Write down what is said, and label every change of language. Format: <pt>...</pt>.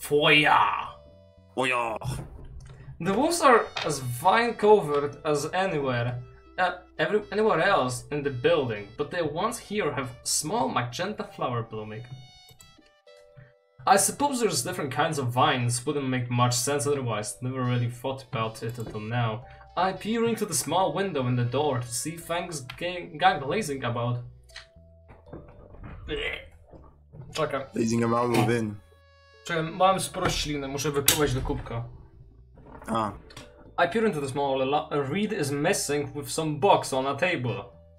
<en>Foyer. The walls are as vine covered as anywhere else in the building, but the ones here have small magenta flower blooming. I suppose there's different kinds of vines, wouldn't make much sense otherwise, never really thought about it until now. I peer into the small window in the door to see Fang's gang blazing about.</en> <pl>Czekaj.</pl> <en>Blazing about within.</en> <pl>Czekaj, mam sporo śliny, muszę wypływać do kubka. A.</pl> <en>I peer into the small a reed is missing with some box on a table.</en>